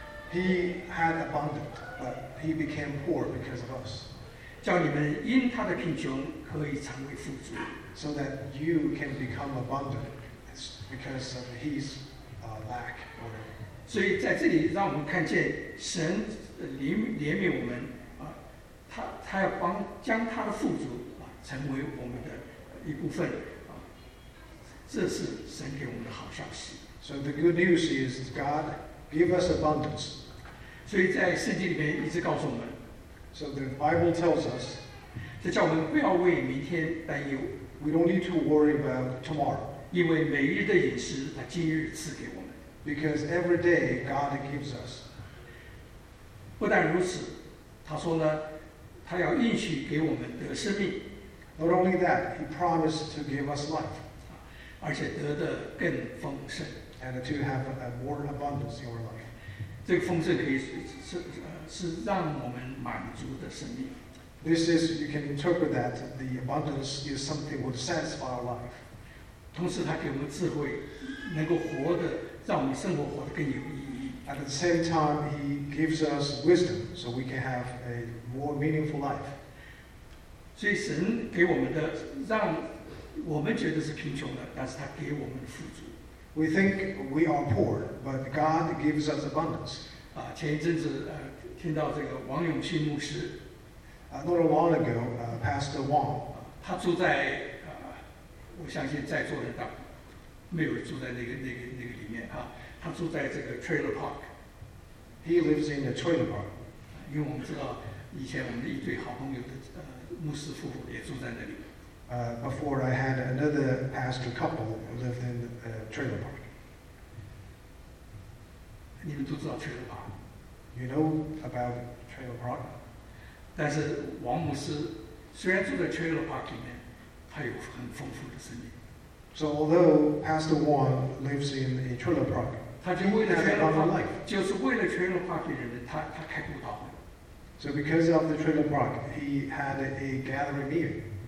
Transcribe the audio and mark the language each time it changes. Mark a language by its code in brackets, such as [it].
[en] He had abundant, but he became poor because of us. [zh] 叫你们因他的贫穷可以成为富足。 [en] So that you can become abundant because of his lack. [zh] 所以在这里让我们看见神怜悯我们，他要将他的富足成为我们的一部分。 [en] So the good news is God give us abundance. [zh] 所以在圣经里面一直告诉我们, [en] so the Bible tells us, [zh] 这叫我们不要为明天担忧, [en] we don't need to worry about tomorrow. [zh] 因为每日的饮食, 他今日赐给我们, [en] because every day God gives us. [zh] 不但如此, 他说呢, 他要应许给我们得生命, [en] not only that, he promised to give us life. [zh] 而且得的更丰盛, [en] and to have a more abundance in your life. [zh] 这个丰盛可以是让我们满足的生命。 [en] This is, you can interpret that the abundance is something that would satisfy our life. [zh] 同时他给我们智慧, 能够活得, 让我们生活活得更有意义。 [en] At the same time, he gives us wisdom so we can have a more meaningful life. [zh] 所以神给我们的, 我们觉得是贫穷的，但是他给我们富足。 [en] We think we are poor, but God gives us abundance. [zh] 前一阵子听到这个王永庆牧师， [en] not a long ago, Pastor Wong. [zh] 他住在，我相信在座的没有住在那个里面，他住在这个 trailer park. [en] He lives in a trailer park. [zh] 因为我们知道以前我们的一对好朋友的牧师夫妇也住在那里。 [en] Before I had another pastor couple who lived in a trailer park. You know about trailer park? [zh] 但是王牧师虽然住在trailer park里面, 他有很丰富的生命。 [en] So although Pastor Wong lives in a trailer park, [zh] 他就为了trailer park,就是为了trailer park的人,他开过道会。 [en] So because of the trailer park, he had a gathering meeting.